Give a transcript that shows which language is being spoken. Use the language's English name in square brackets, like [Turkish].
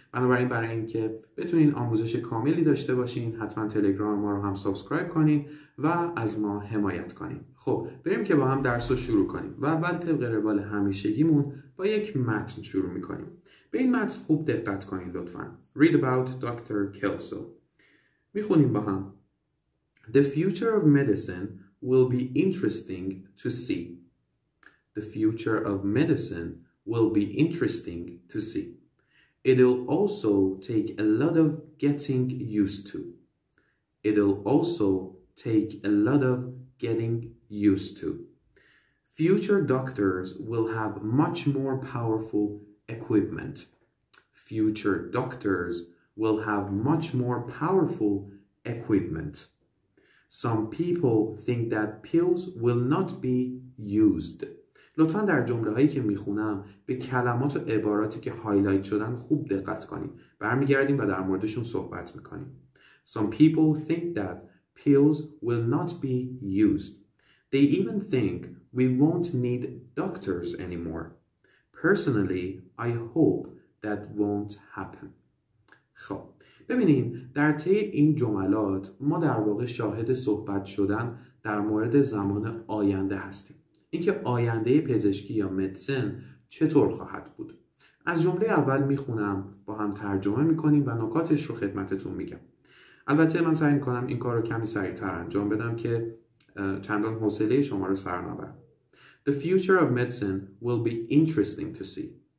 [Persian] بنابراین برای اینکه بتونین آموزش کاملی داشته باشین، حتما تلگرام ما رو هم سابسکرایب کنین و از ما حمایت کنین. خب بریم که با هم درس رو شروع کنیم و اول طبق روال همیشگیمون با یک متن شروع میکنیم. به این متن خوب دقت کنین لطفا. [English] Read about Dr. Kelso. [Persian] میخونیم با هم. [English] The future of medicine will be interesting to see. The future of medicine will be interesting to see. It'll also take a lot of getting used to. It'll also take a lot of getting used to. Future doctors will have much more powerful equipment. Future doctors will have much more powerful equipment. Some people think that pills will not be used. [Persian] لطفاً در جمله‌هایی که می‌خونم به کلمات و عباراتی که هایلایت شدن خوب دقت کنید. برمیگردیم و در موردشون صحبت می‌کنیم. [English] Some people think that pills will not be used. They even think we won't need doctors anymore. Personally, I hope that won't happen. [Persian] خب ببینیم در طی این جملات ما در واقع شاهد صحبت شدن در مورد زمان آینده هستیم. اینکه آینده پزشکی یا مدیسن چطور خواهد بود. از جمله اول میخونم، با هم ترجمه میکنیم و نکاتش رو خدمتتون میگم. البته من سعی میکنم این کار رو کمی سریعتر انجام بدم که چندان حوصله شما رو سر نبرم. [English] The future of medicine will be interesting to see.